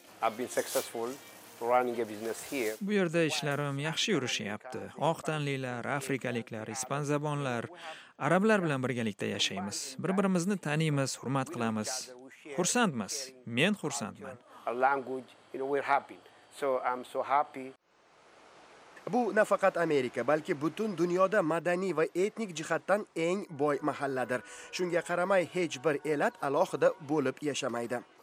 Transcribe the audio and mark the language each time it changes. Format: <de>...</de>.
<en>I've been successful running a business here.</en> <uz>Bu yerda ishlarim yaxshi yurishyapti. Oq tanlilar, afrikaliklar, ispan zabonlar, arablar bilan birgalikda yashaymiz. Bir-birimizni taniymiz, hurmat qilamiz. Xursandmiz. Men xursandman.</uz> <en>Our language, you know, we're happy. So I'm so happy.</en> <uz>Bu nafaqat Amerika, balki butun dunyoda madaniy va etnik jihatdan eng boy mahalladir. Shunga qaramay, hech bir elat alohida bo'lib yashamaydi.</uz>